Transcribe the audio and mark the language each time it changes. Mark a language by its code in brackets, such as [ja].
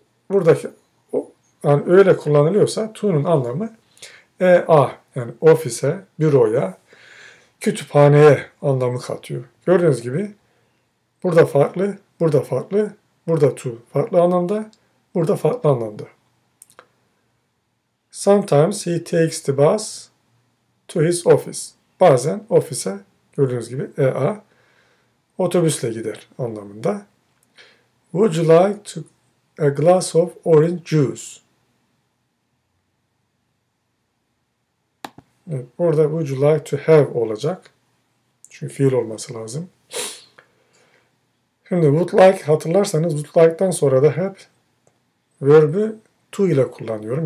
[tr] Buradaki yani öyle kullanılıyorsa to'nun anlamı ea yani ofise, büroya, kütüphaneye anlamı katıyor. Gördüğünüz gibi burada farklı, burada farklı, burada to farklı anlamda, burada farklı anlamda. [en] Sometimes he takes the bus to his office. [tr] Bazen ofise gördüğünüz gibi ea otobüsle gider anlamında. [en] Would you like to a glass of orange juice? [tr] Evet, burada [en] would you like to have [tr] olacak. Çünkü fiil olması lazım. Şimdi would like hatırlarsanız would like'dan sonra da hep verb'ü to ile kullanıyorum.